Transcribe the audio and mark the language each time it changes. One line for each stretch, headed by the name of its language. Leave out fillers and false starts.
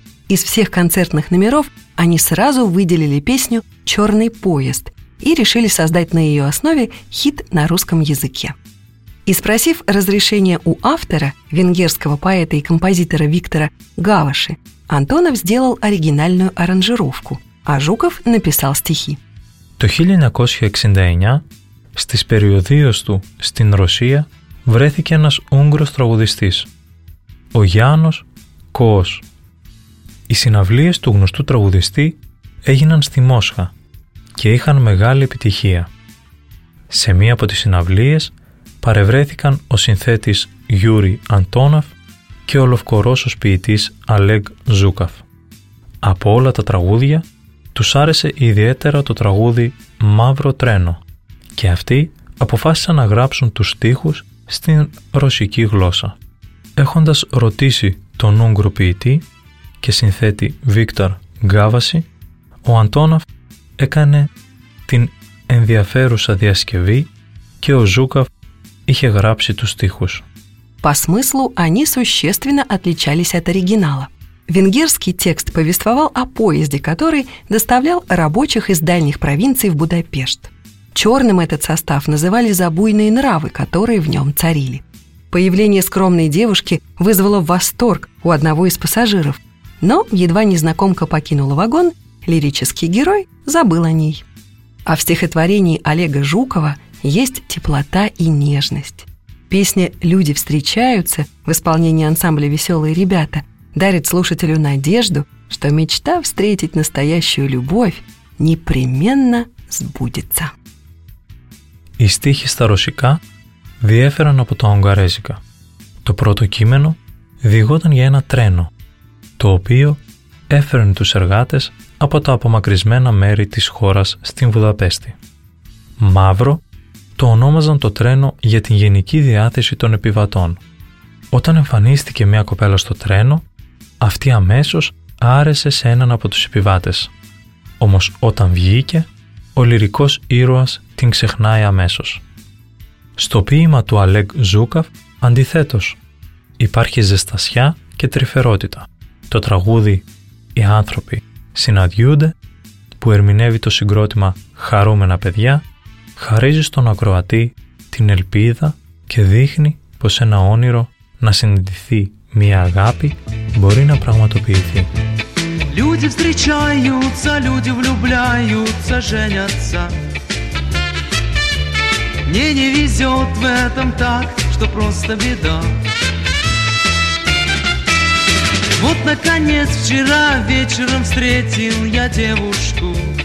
Russian: Из всех концертных номеров они сразу выделили песню «Черный поезд» и решили создать на ее основе хит на русском языке. И спросив разрешение у автора, венгерского поэта и композитора Виктора Гаваши, Антонов сделал оригинальную аранжировку, а Жуков написал стихи.
Greek: Το 1969, στις περιοδίες του στην Ρωσία, βρέθηκε ένας Ούγγρος τραγουδιστής, ο Γιάννος Κοός. Οι συναυλίες του γνωστού τραγουδιστή έγιναν στη Μόσχα και είχαν μεγάλη επιτυχία. Σε μία από τις συναυλίες παρευρέθηκαν ο συνθέτης Γιούρι Αντόναφ και ο λευκορώσος ποιητής Αλέγ Ζούκαφ. Από όλα τα τραγούδια, τους άρεσε ιδιαίτερα το τραγούδι «Μαύρο τρένο» και αυτοί αποφάσισαν να γράψουν τους στίχους στην ρωσική γλώσσα. Έχοντας ρωτήσει τον Ούγγρο ποιητή και συνθέτη Βίκτορ Γκάβαση, ο Αντόναφ έκανε την ενδιαφέρουσα διασκευή και ο Ζούκαφ είχε γράψει τους στίχους.
Russian: По смыслу они существенно отличались от оригинала. Венгерский текст повествовал о поезде, который доставлял рабочих из дальних провинций в Будапешт. Черным этот состав называли за буйные нравы, которые в нем царили. Появление скромной девушки вызвало восторг у одного из пассажиров. Но едва незнакомка покинула вагон, лирический герой забыл о ней. А в стихотворении Олега Жукова есть теплота и нежность. Песня «Люди встречаются» в исполнении ансамбля «Веселые ребята» дарит слушателю надежду, что мечта встретить настоящую любовь непременно сбудется.
Greek: Οι στίχοι στα ρωσικά διέφεραν από τα ουγγαρέζικα. Το πρώτο κείμενο διηγόταν για ένα τρένο, το οποίο έφερνε τους εργάτες από τα απομακρυσμένα μέρη της χώρας στην Βουδαπέστη. Μαύρο το ονόμαζαν το τρένο για την γενική διάθεση των επιβατών. Όταν εμφανίστηκε μια κοπέλα στο τρένο, αυτή αμέσως άρεσε σε έναν από τους επιβάτες. Όμως όταν βγήκε, ο λυρικός ήρωας την ξεχνάει αμέσως. Στο ποίημα του Αλέγ Ζούκαφ, αντιθέτως, υπάρχει ζεστασιά και τρυφερότητα. Το τραγούδι «Οι άνθρωποι συναντιούνται», που ερμηνεύει το συγκρότημα «Χαρούμενα παιδιά», χαρίζει στον ακροατή την ελπίδα και δείχνει πως ένα όνειρο να συναντηθεί μια αγάπη μπορεί να πραγματοποιηθεί.
Russian: Люди встречаются, люди влюбляются, женятся. Мне не везет в этом так, что просто беда. Вот наконец вчера вечером встретил я девушку.